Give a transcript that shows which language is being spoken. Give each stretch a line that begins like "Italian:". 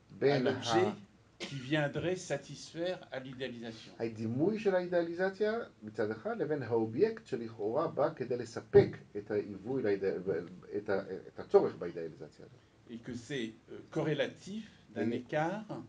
French: à l'objet qui viendrait satisfaire à l'idéalisation.
Hebrew: הדימוי של האידאליזציה מצד אחד לבין האובייקט שלכאורה בא כדי לספק את העיווי את הצורך באידאליזציה.
French: Et que c'est corrélatif d'un écart